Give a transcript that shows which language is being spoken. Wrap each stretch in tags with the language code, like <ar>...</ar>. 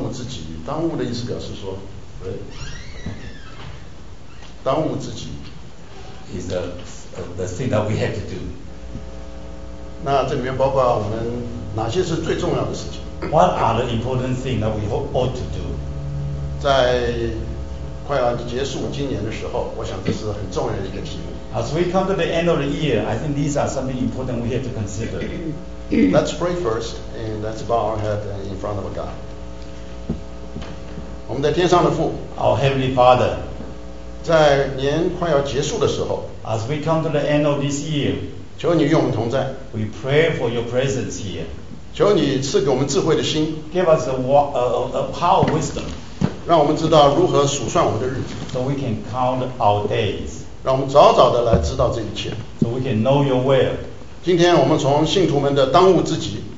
<zh>所以今天我们要谈这个当务之急。当务的意思表示说， right? 当务之急</zh> <en>is the thing that we have to do.</en> <zh>那这里面包括我们哪些是最重要的事情？</zh> <en>What are the important things that we ought to do?</en> <zh>在快要结束今年的时候，我想这是很重要的一个题目。</zh> <en>As we come to the end of the year, I think these are something important we have to consider. Let's pray first, and let's bow our head in front of God.</en> <zh>我们的天上的父,</zh> <en>Our Heavenly Father,</en> <zh>在年快要结束的时候,</zh> <en>As we come to the end of this year,</en> <zh>求你与我们同在,</zh> <en>We pray for your presence here.</en> <zh>求你赐给我们智慧的心,</zh> <en>Give us a power of wisdom,</en> <zh>让我们知道如何数算我们的日子,</zh> <en>So we can count our days.</en> <zh>让我们早早地来知道这一切,</zh> <en>So we can know your will.</en> <zh>今天我们从信徒们的当务之急,</zh>